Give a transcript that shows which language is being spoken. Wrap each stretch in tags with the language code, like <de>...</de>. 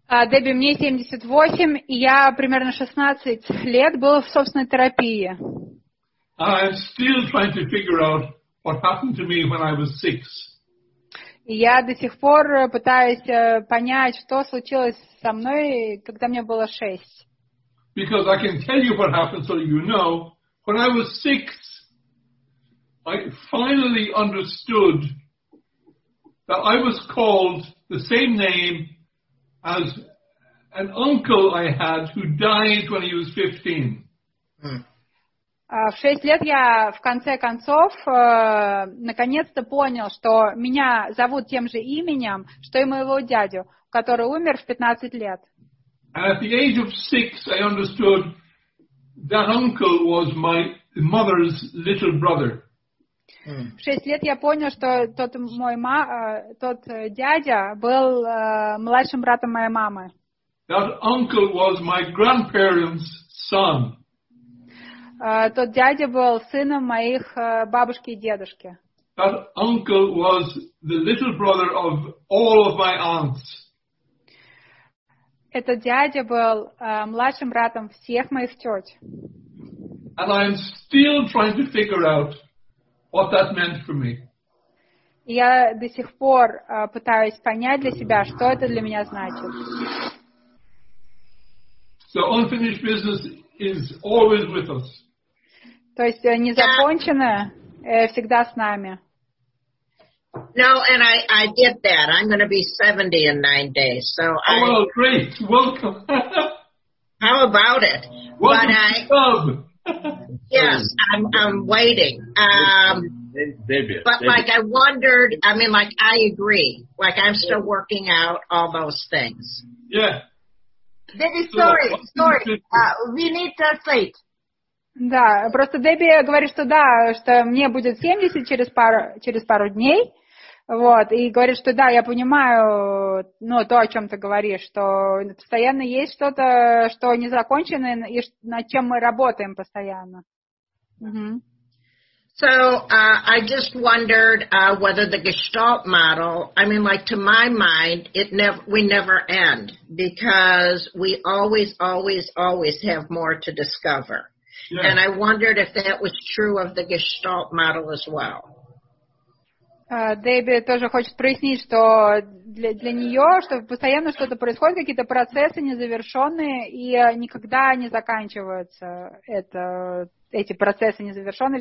<ru>Дебби, мне 78, и я примерно 16 лет был в собственной терапии.</ru> <en>I'm still trying to figure out what happened to me when I was 6.</en> <ru>И я до сих пор пытаюсь понять, что случилось со мной, когда мне было 6.</ru> <en>Because I can tell you what happened so you know. When I was 6, I finally understood that I was called the same name as an uncle I had who died when he was 15.</en> <ru>В 6 лет я в конце концов наконец-то понял, что меня зовут тем же именем, что и моего дядю, который умер в 15 лет.</ru> <en>And at the age of 6 I understood that uncle was my mother's little brother.</en> <ru>В 6 лет я понял, что тот мой тот дядя был младшим братом моей мамы.</ru> <en>That uncle was my grandparents' son.</en> <ru>Тот дядя был сыном моих бабушки и дедушки.</ru> <en>That uncle was the little brother of all of my aunts.</en> <ru>Этот дядя был младшим братом всех моих тёть.</ru> <en>And I'm still trying to figure out what that meant for me.</en> <ru>Я до сих пор пытаюсь понять для себя, что это для меня значит.</ru> <en>So unfinished business is always with us.</en> <ru>То есть незаконченное всегда с нами.</ru> <en>No, and I get that. I'm going to be 70 in 9 days. So oh, well, great. Welcome. How about it? Welcome to the club. Yes, I'm waiting. Like, I wondered, I mean, like, I agree. Like, I'm still working out all those things. Yeah. Debbie, sorry. We need to sleep.</en> <ru>Да, просто Дебби говорит, что да, что мне будет 70 через пару дней, вот, и говорит, что да, я понимаю, ну, то, о чем ты говоришь, что постоянно есть что-то, что не закончено, и над чем мы работаем постоянно. Угу.</ru> <en>So, I just wondered whether the Gestalt model, I mean, like, to my mind, we never end, because we always, always, always have more to discover. Yeah. And I wondered if that was true of the Gestalt model as well.</en> <ru>Дебби тоже хочет прояснить, что для нее, что постоянно что-то происходит, какие-то процессы незавершенные, и никогда не заканчиваются эти процессы незавершенные.</ru>